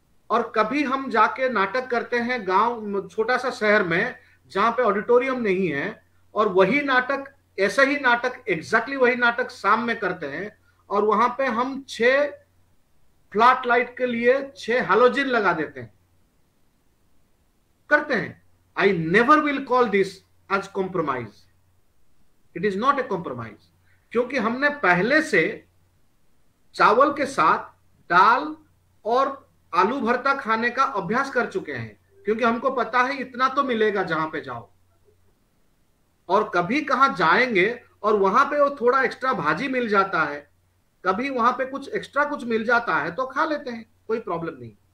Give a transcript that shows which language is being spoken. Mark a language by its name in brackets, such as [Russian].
[Hindi] और कभी हम जाके नाटक करते हैं गांव छोटा सा शहर में जहां पे ऑडिटोरियम नहीं है, और वही नाटक ऐसे ही नाटक एग्जैक्टली वही नाटक शाम में करते हैं, और वहां पे हम 6 फ्लैट लाइट के लिए 6 हैलोजिन लगा देते हैं, करते हैं। [English] I never will call this as compromise. It is not a compromise. [Hindi] क्योंकि हमने पहले से चावल के साथ दाल और आलू भरता खाने का अभ्यास कर चुके हैं, क्योंकि हमको पता है इतना तो मिलेगा जहां पे जाओ, और कभी कहां जाएंगे और वहां पे वो थोड़ा एक्स्ट्रा भाजी मिल जाता है, कभी वहां पे कुछ एक्स्ट्रा कुछ मिल जाता है तो खा लेते हैं, कोई प्रॉब्लम नहीं।